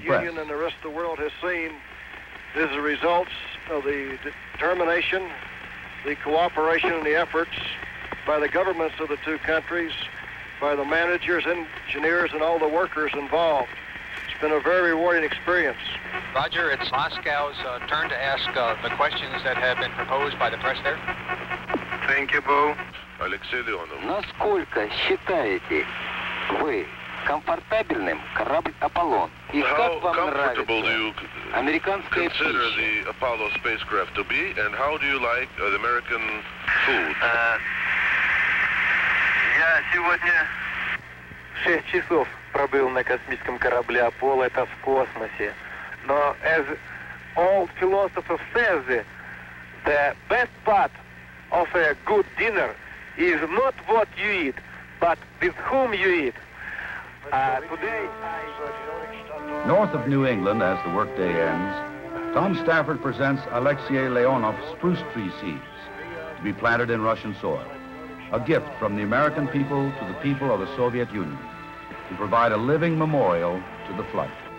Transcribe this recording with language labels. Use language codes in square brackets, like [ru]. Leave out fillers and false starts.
[en] The Soviet Union and the rest of the world has seen is the results of the determination, the cooperation, and the efforts by the governments of the two countries, by the managers, engineers, and all the workers involved. It's been a very rewarding experience. Roger, it's Moscow's turn to ask the questions that have been proposed by the press there. Thank you, Bo. [ru] Алексей Леонов. Насколько считаете вы комфортабельным корабль Аполлон? И как вам нравится американская пища? [en] How comfortable do you consider the Apollo spacecraft to be, and how do you like the American food? [ru] Я сегодня 6 часов. Пробыл на космическом корабле Аполло, это в космосе. [en] Но, as all philosophers say, the best part of a good dinner is not what you eat, but with whom you eat. Today, north of New England, as the workday ends, Tom Stafford presents Alexei Leonov spruce tree seeds to be planted in Russian soil, a gift from the American people to the people of the Soviet Union, to provide a living memorial to the flight.